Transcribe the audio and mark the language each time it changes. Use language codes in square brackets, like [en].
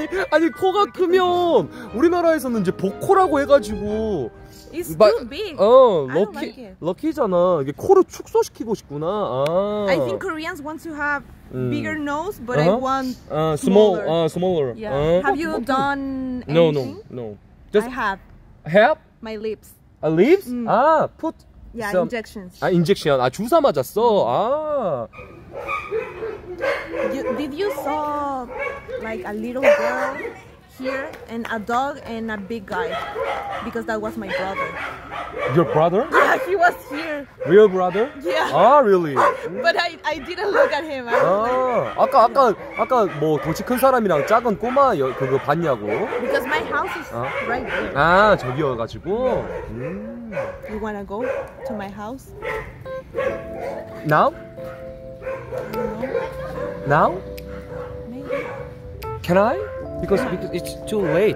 [ko] 아니 코가 크면 우리나라에서는 이제 보코라고 해가지고. [en] It's too big. Lucky. I don't like it. Lucky잖아. [ko] 이게 코를 축소시키고 싶구나. 아. [en] I think Koreans want to have bigger nose, but uh-huh. I want smaller. Yeah. Have you done anything? No. Just I have. Have? My lips. Lips? Put. Yeah, some... injections. [ko] 아, 인젝션. 아, 주사 맞았어. 아. [en] Did you saw like a little girl here and a dog and a big guy? Because that was my brother. Your brother? Yeah, he was here. Real brother? Yeah. Ah, really? But I didn't look at him. [ko] Ah, 아까 뭐 도시 큰 사람이랑 작은 꼬마 그거 봤냐고? [en] Because my house is right there. [ko] 아, 저기여가지고. [en] You wanna go to my house? Now? Now? Maybe. Can I? Because it's too late.